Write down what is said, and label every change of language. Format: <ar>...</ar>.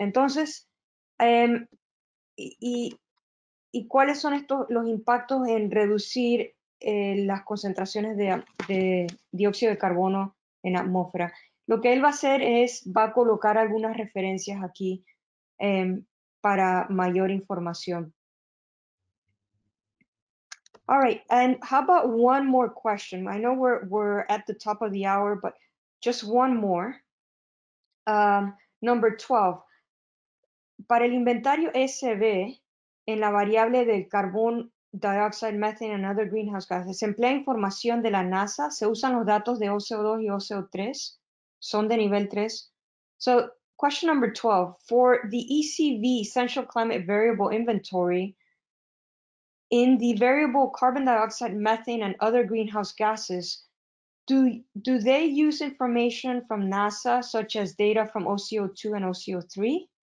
<es>Entonces, ¿y cuáles son estos los impactos en reducir las concentraciones de dióxido de carbono en atmósfera? Lo que él va a hacer es, va a colocar algunas referencias aquí para mayor información.</es> <en>All right, and how about one more question? I know we're at the top of the hour, but just one more. Number 12.</en> <es>Para el inventario SB, en la variable del carbón,</es> <en>dioxide, methane, and other greenhouse gases,</en> <es>¿se emplea información de la NASA? ¿Se usan los datos de OCO2 y OCO3? ¿Son de nivel 3?</es> <en>So, question number 12. For the ECV, Essential Climate Variable Inventory, in the variable carbon dioxide, methane, and other greenhouse gases, do they use information from NASA, such as data from OCO2 and OCO3?</en>